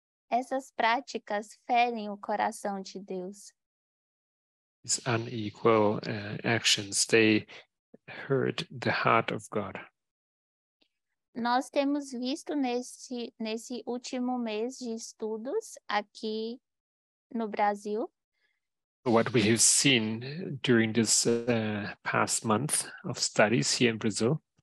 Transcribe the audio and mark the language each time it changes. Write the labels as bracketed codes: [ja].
[pt] Essas práticas ferem o coração de Deus. [en] These unequal actions, they hurt the heart of God. [pt] Nós temos visto nesse último mês de estudos aqui no Brasil. [en] What we have seen during this past month of studies here in Brazil.